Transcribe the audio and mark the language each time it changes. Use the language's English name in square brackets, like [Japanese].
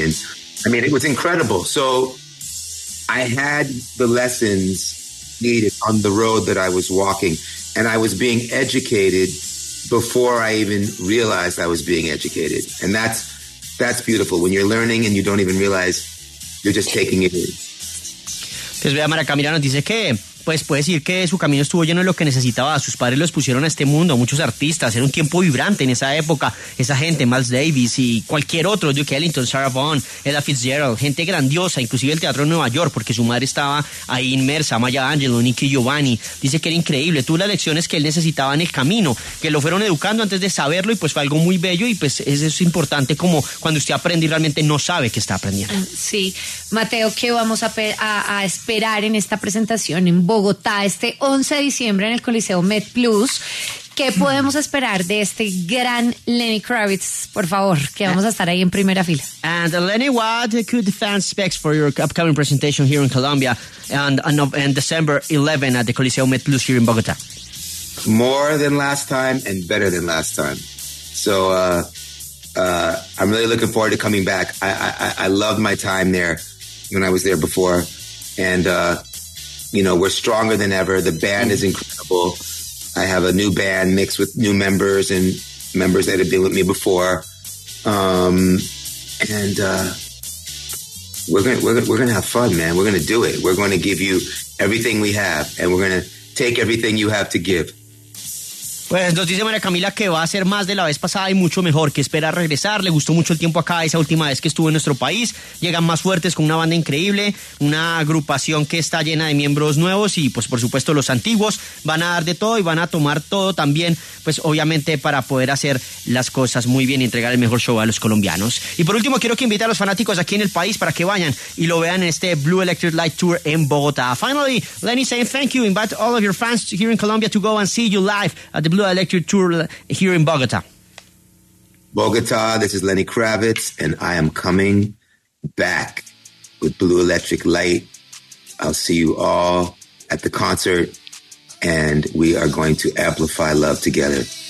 [English] And I mean, it was incredible. So I had the lessons needed on the road that I was walking, and I was being educated before I even realized I was being educated. And that's beautiful when you're learning and you don't even realize you're just taking it in. [Spanish] Pues vea, María Camila nos dice que pues puede decir que su camino estuvo lleno de lo que necesitaba. Sus padres los pusieron a este mundo, muchos artistas. Era un tiempo vibrante en esa época. Esa gente, Miles Davis y cualquier otro, Duke Ellington, Sarah Vaughan, Ella Fitzgerald, gente grandiosa, inclusive el Teatro de Nueva York, porque su madre estaba ahí inmersa, Maya Angelou, Nicky Giovanni. Dice que era increíble. Tuvo las lecciones que él necesitaba en el camino, que lo fueron educando antes de saberlo, y pues fue algo muy bello. Y pues es importante como cuando usted aprende y realmente no sabe que está aprendiendo. Sí. Mateo, ¿qué vamos a esperar en esta presentación en Bogotá este 11 de diciembre en el Coliseo Med Plus? ¿Qué podemos esperar de este gran Lenny Kravitz? Por favor, que vamos a estar ahí en primera fila. [English] And Lenny, what could the fans expect for your upcoming presentation here in Colombia on December 11 at the Coliseo Med Plus here in Bogotá? More than last time and better than last time. So I'm really looking forward to coming back. I loved my time there when I was there before. And you know, we're stronger than ever. The band is incredible. I have a new band mixed with new members and members that had been with me before. We're gonna have fun, man. We're gonna do it. We're gonna give you everything we have, and we're gonna take everything you have to give. [Spanish] Pues nos dice María Camila que va a ser más de la vez pasada y mucho mejor, que espera regresar. Le gustó mucho el tiempo acá, esa última vez que estuvo en nuestro país. Llegan más fuertes con una banda increíble, una agrupación que está llena de miembros nuevos y pues por supuesto los antiguos van a dar de todo y van a tomar todo también, pues obviamente para poder hacer las cosas muy bien y entregar el mejor show a los colombianos. Y por último quiero que invite a los fanáticos aquí en el país para que vayan y lo vean en este Blue Electric Light Tour en Bogotá. [English] Finally, Lenny saying thank you, invite all of your fans here in Colombia to go and see you live at the Blue Electric Tour here in Bogota. Bogota, this is Lenny Kravitz, and I am coming back with Blue Electric Light. I'll see you all at the concert, and we are going to amplify love together.